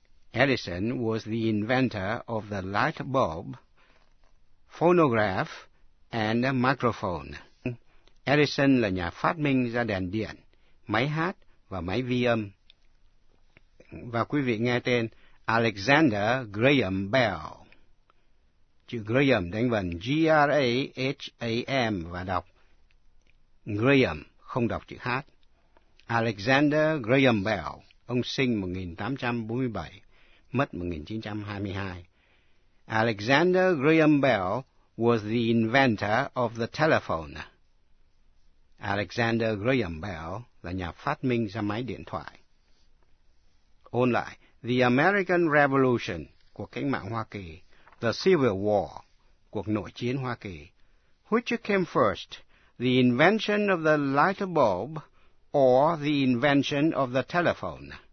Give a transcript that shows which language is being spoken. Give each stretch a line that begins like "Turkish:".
English: Edison was the inventor of the light bulb phonograph and a microphone.
Vietnamese: Edison là nhà phát minh ra đèn điện, máy hát và máy vi âm. Và quý vị nghe tên Alexander Graham Bell. Chữ Graham đánh vần G-R-A-H-A-M và đọc Graham, không đọc chữ H. Alexander Graham Bell, ông sinh 1847, mất 1922.
English: Alexander Graham Bell was the inventor of the telephone.
Vietnamese: Alexander Graham Bell là nhà phát minh ra máy điện thoại. Ôn lại,
English: the American Revolution,
Vietnamese: cuộc cách mạng Hoa Kỳ,
English: the Civil War,
Vietnamese: cuộc nội chiến Hoa Kỳ,
English: which came first, the invention of the light bulb or the invention of the telephone?